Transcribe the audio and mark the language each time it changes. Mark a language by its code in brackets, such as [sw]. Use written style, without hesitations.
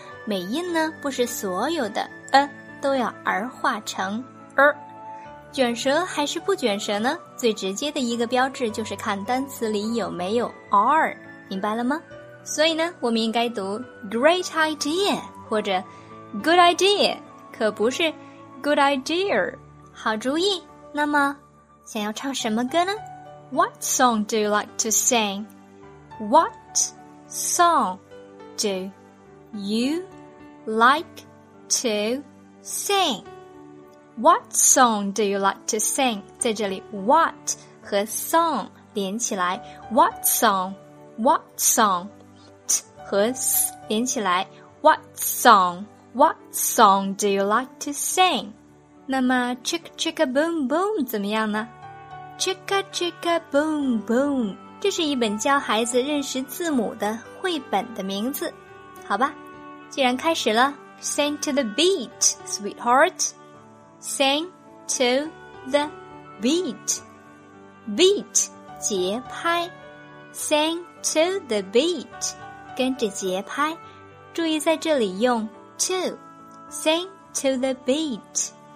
[zh] 美音呢不是所有的都要儿化成卷舌还是不卷舌呢？最直接的一个标志就是看单词里有没有 r, 明白了吗？所以呢我们应该读 great idea 或者 good idea, 可不是 good idea, 好主意。那么想要唱什么歌呢？ [en] What song do you like to sing? What song doYou like to sing. What song do you like to sing? [zh] 在这里 what 和 song 连起来 what song, [en] what song, [zh] t 和 s 连起来 what song, [en] what song do you like to sing? [zh] 那么 chicka chicka boom boom 怎么样呢？ chicka chicka boom boom 这是一本教孩子认识字母的绘本的名字，好吧。既然开始了 [en] Sing to the beat, sweetheart. Sing to the beat. Beat, 节拍 Sing to the beat, 跟着节拍。注意在这里用 to. Sing to the beat.